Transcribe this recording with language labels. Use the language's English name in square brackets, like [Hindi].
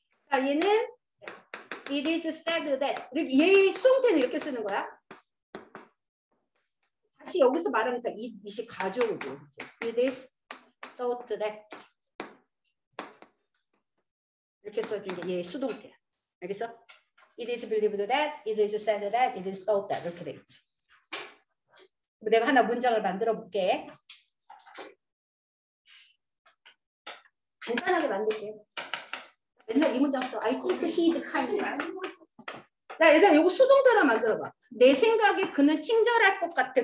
[Korean] 자, 얘는 [English] it is said that [Korean] 얘의 수동태는 이렇게 쓰는 거야. 다시 여기서 말하니까 it이 가져오죠. [English] It is thought that [Korean] 이렇게 써준 게 얘의 수동태야. 알겠어? [English] It is believed that, it is said that, it is thought that. [Korean] 이렇게 되겠지. 내가 하나 문장을 만들어 볼게. 간단하게 만들게. 맨날 이 문장 써. [English] I think he is kind. [Korean] 야, 얘들아, 이거 수동태로 만들어봐. 내 생각에 그는 친절할 것 같아.